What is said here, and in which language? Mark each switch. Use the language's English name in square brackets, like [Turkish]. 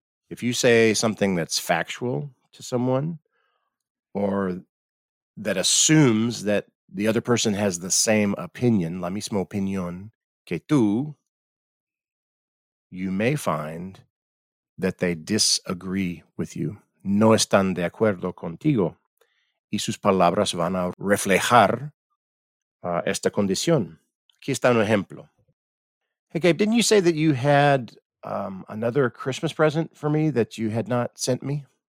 [English] If you say something that's factual to someone or that assumes that the other person has the same opinion, [Spanish] la misma opinión que tú, [English] you may find that they disagree with you. [Spanish] No están de acuerdo contigo. Y sus palabras van a reflejar esta condición. Aquí está un ejemplo. [English] Hey, Gabe, didn't you say that you had another Christmas present for me that you had not sent me?